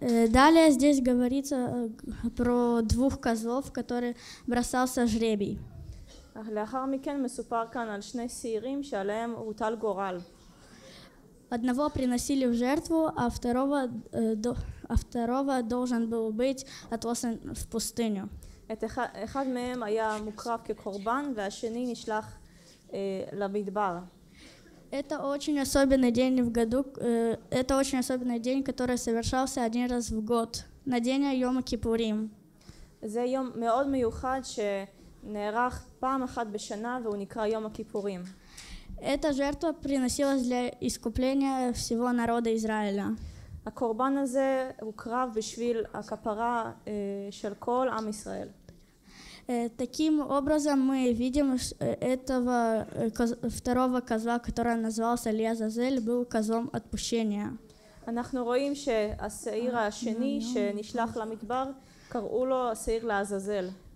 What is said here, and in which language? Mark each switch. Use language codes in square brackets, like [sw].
[ru] Далее здесь говорится про двух козлов, которые бросался жребий. [he] לאחר מכן מסופר כאן על שני סעירים שעליהם הוטל גורל. [ru] Одного приносили в жертву, а второго должен был быть отослан в пустыню. [he] אחד מהם היה מוקרב כקורבן והשני נשלח למדבר. [ru] Это очень особенный день, который совершался один раз в год, на день Йом Кипурим. [he] זה יום מאוד מיוחד ש נערך פעם אחת בשנה והוא נקרא יום הכיפורים. [ru] Эта жертва приносилась для искупления всего народа Израиля. [he] הקורבן הזה הוקרב בשביל הכפרה של כל עם ישראל. [ru] Таким образом мы видим этого второго козла, который назывался Лиазазель, был козлом отпущения. [he] אנחנו רואים שהשעיר השני שנשלח למדבר קראו לו השעיר לעזאזל.